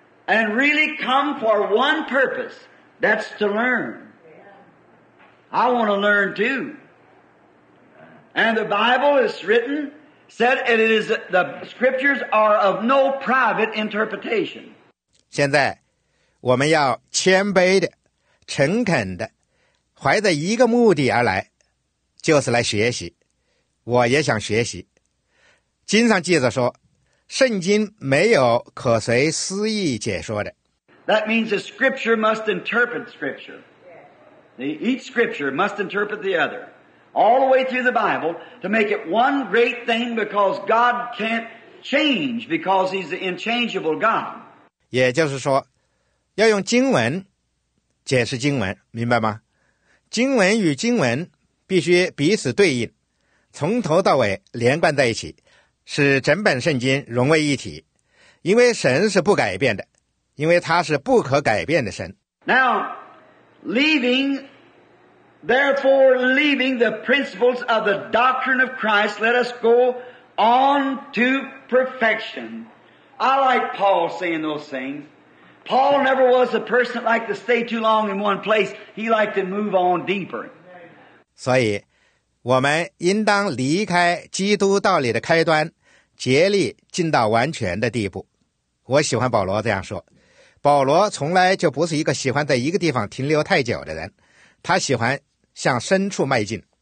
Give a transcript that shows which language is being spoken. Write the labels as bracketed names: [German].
[English] and really come for one purpose, that's to learn. I want to learn too. And the Bible is written, said it is, the scriptures are of no private interpretation. [Chinese] 现在我们要谦卑的、诚恳的，怀着一个目的而来，就是来学习。我也想学习。经上记着说，圣经没有可随私意解说的。 [English] That means the scripture must interpret scripture. Each scripture must interpret the other. All the way through the Bible to make it one great thing because God can't change because he's the unchangeable God. [Chinese] 也就是说要用经文解释经文，明白吗？经文与经文必须彼此对应，从头到尾连贯在一起，使整本圣经融为一体。因为神是不改变的，因为他是不可改变的神。 [English] Now, therefore leaving the principles of the doctrine of Christ, let us go on to perfection. I like Paul saying those things. Paul never was a person that liked to stay too long in one place. He liked to move on deeper. [Chinese] 所以我们应当离开基督道理的开端，竭力进到完全的地步。我喜欢保罗这样说。保罗从来就不是一个喜欢在一个地方停留太久的人，他喜欢向深处迈进。